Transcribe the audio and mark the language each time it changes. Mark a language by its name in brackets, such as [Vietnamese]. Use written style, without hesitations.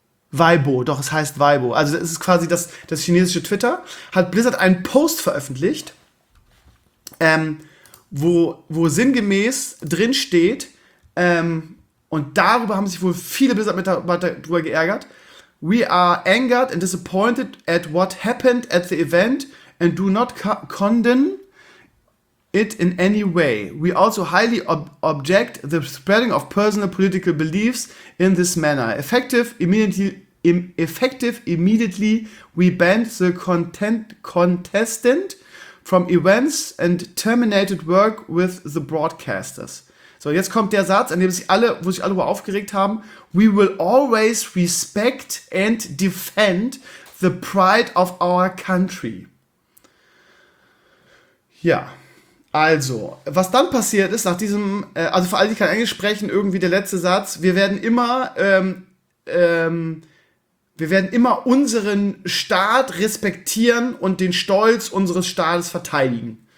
[German] Weibo, doch, es heißt Weibo. Also es ist quasi das chinesische Twitter. Hat Blizzard einen Post veröffentlicht, wo sinngemäß drin steht, und darüber haben sich wohl viele Blizzard-Mitarbeiter drüber geärgert. [English] We are angered and disappointed at what happened at the event and do not condone it in any way. We also highly object the spreading of personal political beliefs in this manner. Effective immediately, we banned the contestant from events and terminated work with the broadcasters. [German] So, jetzt kommt der Satz, an dem sich alle, wo sich alle aufgeregt haben. [English] We will always respect and defend the pride of our country. [German] Ja. Also, was dann passiert ist, nach diesem, also für alle, die kein Englisch sprechen, irgendwie der letzte Satz, wir werden immer unseren Staat respektieren und den Stolz unseres Staates verteidigen.